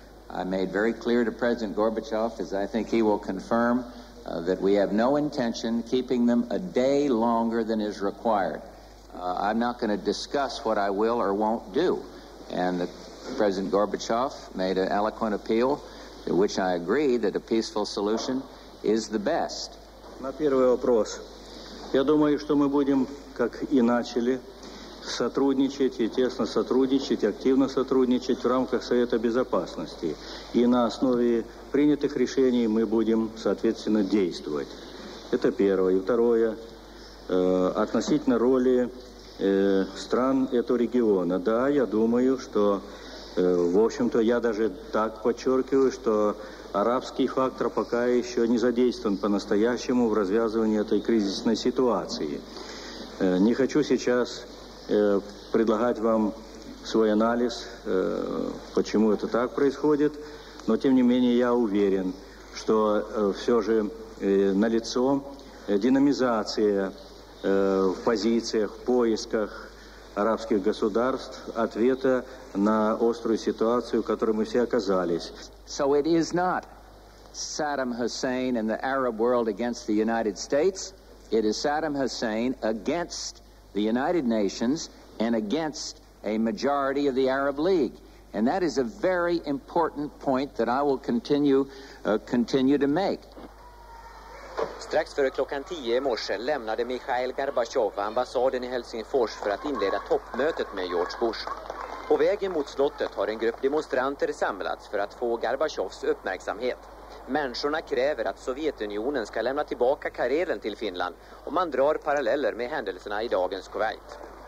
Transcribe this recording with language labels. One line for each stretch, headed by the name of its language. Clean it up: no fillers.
English: I made very clear to President Gorbachev, as I think he will confirm, that we have no intention keeping them a day longer than is required. I'm not going to discuss what I will or won't do. And President Gorbachev made an eloquent appeal, to which I agree that a peaceful solution is the best.
Russian: На первый вопрос. Я думаю, что мы будем, как и начали, сотрудничать и тесно сотрудничать, активно сотрудничать в рамках Совета Безопасности. И на основе принятых решений мы будем, соответственно, действовать. Это первое. И второе, относительно роли стран этого региона. Да, я думаю, что, в общем-то, я даже так подчеркиваю, что арабский фактор пока еще не задействован по-настоящему в развязывании этой кризисной ситуации. Не хочу сейчас предлагать вам свой анализ, почему это так происходит, но тем не менее я уверен, что все же налицо динамизация в позициях, в поисках арабских государств ответа на острую ситуацию, в которой мы все оказались.
English: So it is not Saddam Hussein and the Arab world against the United States, it is Saddam Hussein against the United Nations and against a majority of the Arab League. And that is a very important point that I will continue to make.
Swedish: Strax före klockan 10 i morse lämnade Mikhail Gorbachev ambassaden i Helsingfors för att inleda toppmötet med George Bush. På vägen mot slottet har en grupp demonstranter samlats för att få Gorbachevs uppmärksamhet. Människorna kräver att Sovjetunionen ska lämna tillbaka Karelen till Finland, och man drar paralleller med händelserna i dagens Kuwait.